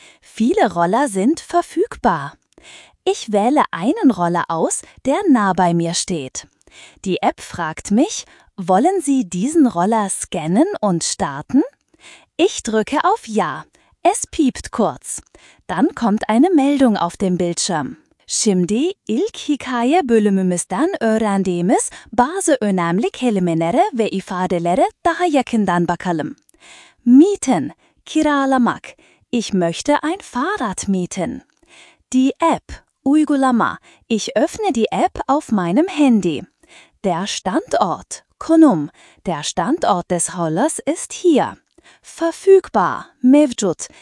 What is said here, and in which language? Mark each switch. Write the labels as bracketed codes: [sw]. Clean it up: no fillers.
[de] Viele Roller sind verfügbar. Ich wähle einen Roller aus, der nah bei mir steht. Die App fragt mich, wollen Sie diesen Roller scannen und starten? Ich drücke auf Ja. Es piept kurz. Dann kommt eine Meldung auf dem Bildschirm. [tr] Şimdi ilk hikaye bölümümüzden öğrendiğimiz bazı önemli kelimelere ve ifadelere daha yakından bakalım. [de] Mieten, kiralamak. Ich möchte ein Fahrrad mieten. Die App, uygulama. Ich öffne die App auf meinem Handy. Der Standort, konum. Der Standort des Rollers ist hier. Verfügbar, mevcut.